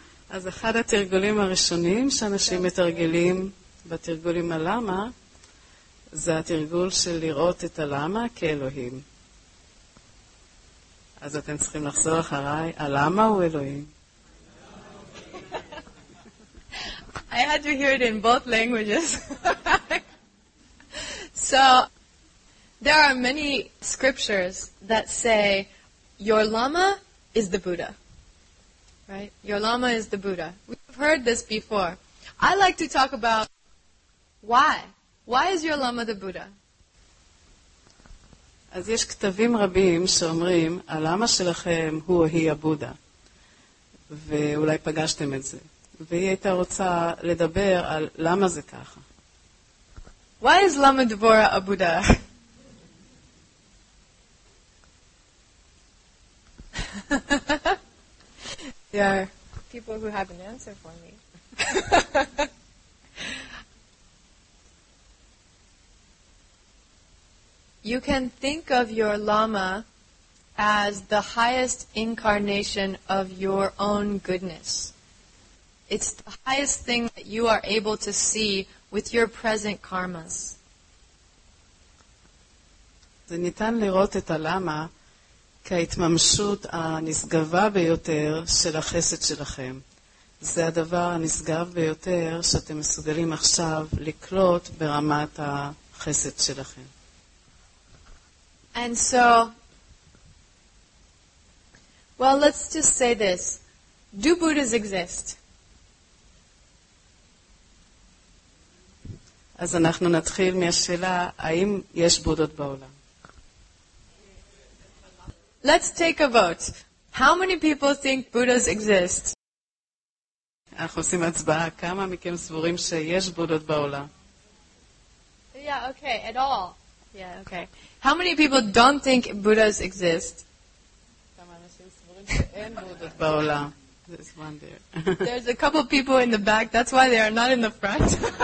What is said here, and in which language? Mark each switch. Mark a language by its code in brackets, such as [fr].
[he] אז אחד התרגולים הראשונים שאנשים מתרגלים בתרגולים הלמה זה התרגול של לראות את הלמה כאלוהים. אז אתם צריכים לחזור אחריי, הלמה הוא אלוהים. [en] I had to hear it in both languages. So there are many scriptures that say your lama is the Buddha. Right? Your lama is the Buddha. We've heard this before. I like to talk about why. Why is your lama the Buddha? [he] אז יש כתבים רבים שאומרים, הלמה שלכם הוא או היא הבודה. ואולי פגשתם את זה. והיא הייתה רוצה לדבר על למה זה ככה. [en] Why is Lama Dvora a Buddha? There are people who have an answer for me. You can think of your lama as the highest incarnation of your own goodness. It's the highest thing that you are able to see with your present karmas. [he] זה ניתן לראות את הלמה כהתממשות הנשגבה ביותר של החסד שלכם. זה הדבר הנשגב ביותר שאתם מסוגלים עכשיו לקלוט ברמת החסד שלכם. [en] And so Well, let's just say this. Do Buddhas exist? [he] אז אנחנו נתחיל מהשאלה, האם יש בודות בעולם? [en] Let's take a vote. How many people think Buddhas exist? [he] אנחנו עושים הצבעה, כמה מכם סבורים שיש בודות בעולם? [en] Yeah, okay, at all. Yeah, okay. How many people don't think Buddhas exist? [he] כמה אנשים סבורים שאין בודות בעולם? [en] This one there. There's a couple people in the back, that's why they are not in the front.